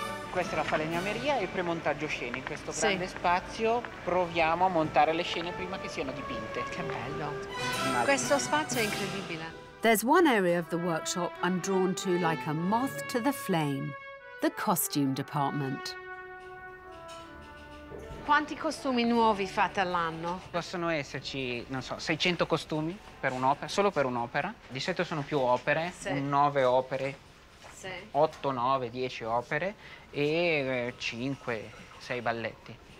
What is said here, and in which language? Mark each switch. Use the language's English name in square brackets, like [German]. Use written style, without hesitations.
[Italian] Questa è la falegnameria e il premontaggio scene. In questo grande spazio proviamo a montare le scene prima che siano dipinte. Che bello. Immagino. Questo spazio è incredibile. [English] There's one area of the workshop I'm drawn to like a moth to the flame, the costume department. [Italian] Quanti costumi nuovi fate all'anno? Possono esserci, non so, 600 costumi per un'opera, solo per un'opera. Di solito sono più opere, sì. 9 opere. Sì. 8, 9, 10 opere. E 5-6 balletti.